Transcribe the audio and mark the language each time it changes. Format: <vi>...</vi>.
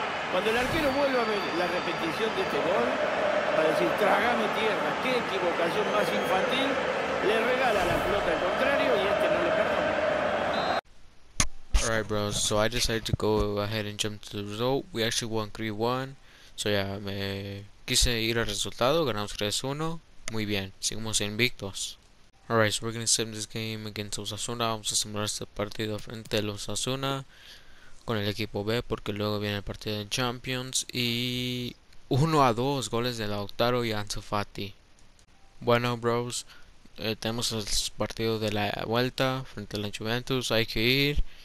<es>Cuando el arquero vuelve a ver la repetición de este gol, va a decir, trágame tierra, qué equivocación más infantil. Le regala la pelota al contrario y este no le perdona.</es> <en>Alright bros, so I decided to go ahead and jump to the result. We actually won 3-1. So yeah,</en> <es>me quise ir al resultado, ganamos 3-1. Muy bien, seguimos invictos.</es> <en>Alright, so we're going to sim this game against Osasuna.</en> <es>Vamos a simular este partido frente al Osasuna con el equipo B, porque luego viene el partido de Champions. Y 1-2, goles de Lautaro y Ansu Fati. Bueno, bros, tenemos el partido de la vuelta frente a la Juventus, hay que ir.</es>